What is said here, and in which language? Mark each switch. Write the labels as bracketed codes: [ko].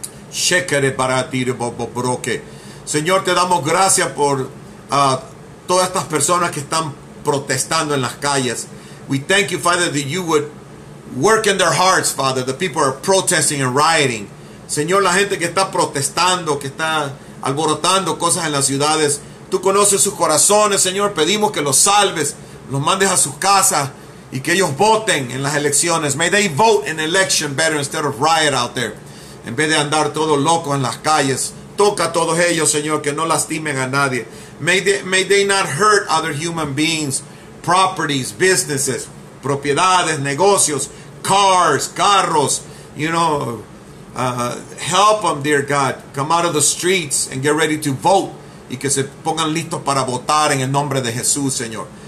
[es] Señor, te damos gracias por todas estas personas que están protestando en las calles. [en] We thank you, Father, that you would work in their hearts, Father. The people are protesting and rioting. [es] Señor, la gente que está protestando, que está alborotando cosas en las ciudades, tú conoces sus corazones, Señor. Pedimos que los salves, los mandes a sus casas y que ellos voten en las elecciones. [en] May they vote in election better instead of riot out there. [es] En vez de andar todos locos en las calles, toca a todos ellos, Señor, que no lastimen a nadie. [en] May they not hurt other human beings, properties, businesses, [es] propiedades, negocios, [en] cars, [es] carros, [en] you know. Help them, dear God, come out of the streets and get ready to vote. [es] Y que se pongan listos para votar en el nombre de Jesús, Señor.